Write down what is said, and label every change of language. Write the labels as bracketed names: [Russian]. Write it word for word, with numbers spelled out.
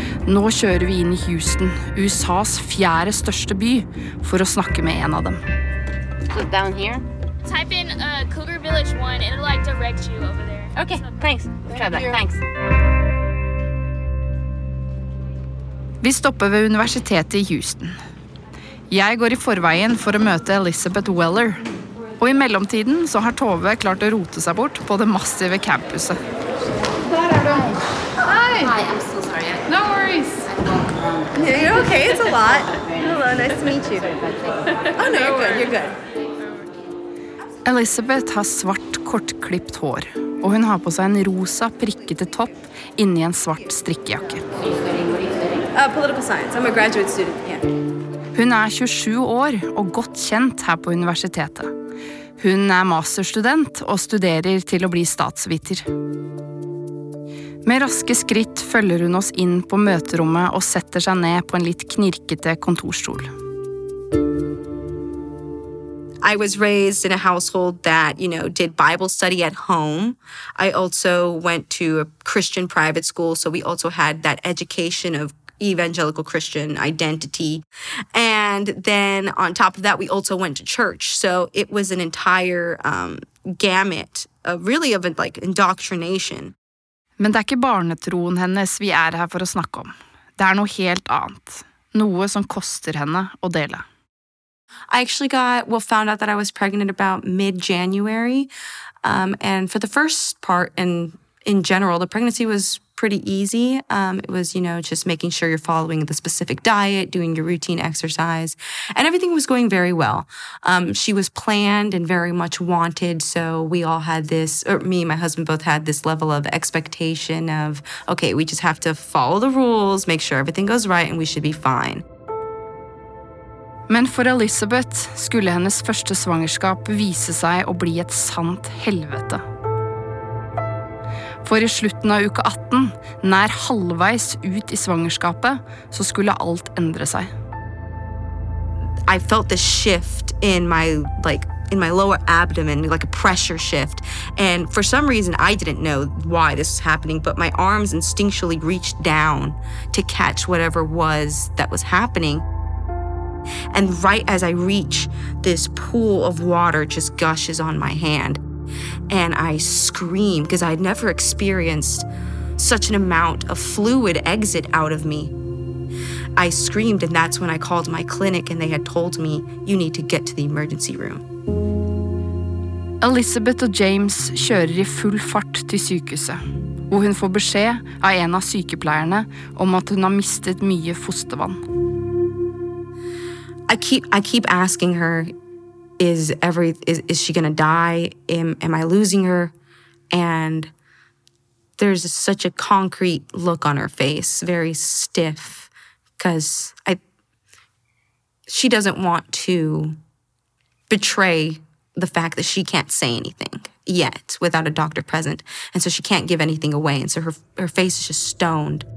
[Norwegian] Nå kjører vi inn i Houston, U S A's fjerde største by, for å snakke med en av dem. [English] So down here? Type in uh, Cougar Village one, it'll like direct you over there. Okay, thanks. Try that. Thanks. [Norwegian] Vi stopper ved universitetet i Houston. Jeg går i forveien for å møte Elizabeth Weller. Og i mellomtiden så har Tove klart å rote seg bort på det massive campuset. Der er du. [English] Hi. Hi, I'm so sorry. No worries. You're okay, it's a lot. Hello, nice to meet you. Oh no, you're good, you're good. [Norwegian] Elizabeth har svart, kortklipt hår. Og hun har på seg en rosa, prikkete topp inni en svart strikkejakke. [English] Uh, political science. I'm a graduate student. Yeah. [Norwegian] Hun er tjuesju år og godt kjent her på universitetet. Hun er masterstudent og studerer til å bli statsviter. Med raske skritt følger hun oss inn på møterommet og setter seg ned på en litt knirkete kontorstol. [English] I was raised in a household that, you know, did Bible study at home. I also went to a Christian private school, so we also had that education of evangelical Christian identity. And then on top of that, we also went to church. So it was an entire um, gamut of really of like indoctrination. [Norwegian] Men det er ikke barnetroen hennes vi er her for å snakke om. Det er noe helt annet. Noe som koster henne å dele. [English] I actually got, well, found out that I was pregnant about mid-January. Um, and for the first part and in general, the pregnancy was pretty easy. Um, it was, you know, just making sure you're following the specific diet, doing your routine exercise, and everything was going very well. Um, she was planned and very much wanted, so we all had this, or me and my husband both had this level of expectation of, okay, we just have to follow the rules, make sure everything goes right, and we should be fine. [Norwegian] Men for Elizabeth skulle hennes første svangerskap vise seg å bli et sant helvete. For i slutten av uke atten, nær halvveis ut i svangerskapet, så skulle alt endre seg. [English] I felt the shift in my like in my lower abdomen, like a pressure shift. And for some reason I didn't know why this was happening, but my arms instinctually reached down to catch whatever was that was happening. And right as I reach, this pool of water just gushes on my hand. And I screamed because I had never experienced such an amount of fluid exit out of me. I screamed, and that's when I called my clinic, and they had told me, you need to get to the emergency room. [Norwegian] Elizabeth og James kjører i full fart til sykehuset, hvor hun får beskjed av en av sykepleierne om at hun har mistet mye fostervann. [English] I keep, I keep asking her, Is every is, is she gonna die? Am, am I losing her? And there's such a concrete look on her face, very stiff, because I she doesn't want to betray the fact that she can't say anything yet without a doctor present, and so she can't give anything away, and so her her face is just stoned.